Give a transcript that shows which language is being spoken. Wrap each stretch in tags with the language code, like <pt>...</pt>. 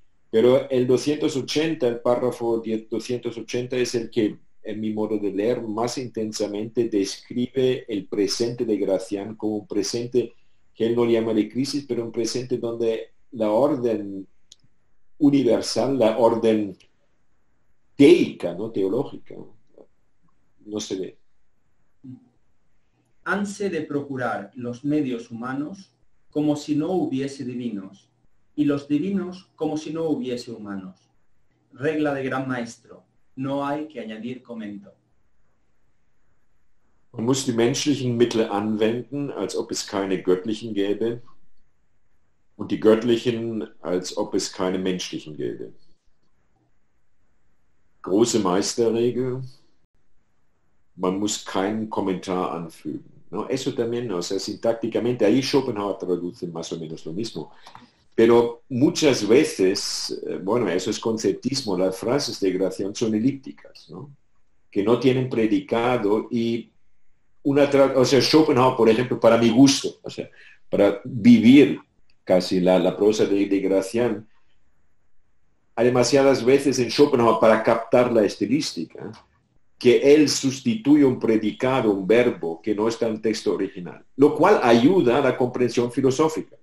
<es>Pero el 280, el párrafo 280, es el que, en mi modo de leer, más intensamente describe el presente de Gracián como un presente que él no le llama de crisis, pero un presente donde la orden universal, la orden teica, no teológica, no se ve. Hanse de procurar los medios humanos como si no hubiese divinos, y los divinos como si no hubiese humanos. Regla de gran maestro, no hay que añadir comento.</es> <de>Man muss die menschlichen Mittel anwenden, als ob es keine göttlichen gäbe, und die göttlichen, als ob es keine menschlichen gäbe. Große Meisterregel, man muss keinen Kommentar anfügen.</de> <es>¿No? Eso también, o sea, sintácticamente, ahí Schopenhauer traduce más o menos lo mismo. Pero muchas veces, bueno, eso es conceptismo, las frases de Gracián son elípticas, ¿no? Que no tienen predicado y o sea, Schopenhauer, por ejemplo, para mi gusto, o sea, para vivir casi la prosa de Gracián, hay demasiadas veces en Schopenhauer para captar la estilística, que él sustituye un predicado, un verbo, que no está en el texto original, lo cual ayuda a la comprensión filosófica.</es>